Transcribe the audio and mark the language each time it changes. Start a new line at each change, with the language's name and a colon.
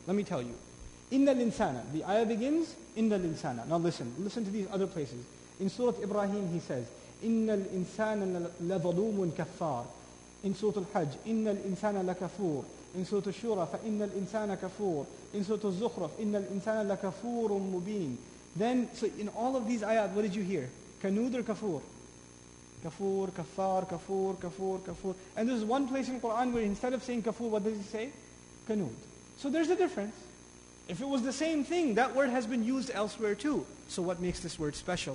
English: Let me tell you. Inna linsana. The ayah begins, inna linsana. Now listen. Listen to these other places. In Surah Ibrahim he says,
Arabic: inna linsana ladhulumun kaffar.
English: In Surah Al-Hajj,
Arabic: إِنَّ الْإِنسَانَ لَكَفُورٌ.
English: In Surah Al-Shura,
Arabic: فَإِنَّ الْإِنسَانَ كَفُورٌ.
English: In Surah Al-Zukhruf,
Arabic: إِنَّ الْإِنسَانَ لَكَفُورٌ مُبِينٌ.
English: Then, so in all of these ayat, what did you hear? Kanud or kafur? Kafur, kafar, kafur, kafur, kafur. And this is one place in Quran where instead of saying kafur, what does he say? Kanud. So there's a difference. If it was the same thing, that word has been used elsewhere too. So what makes this word special?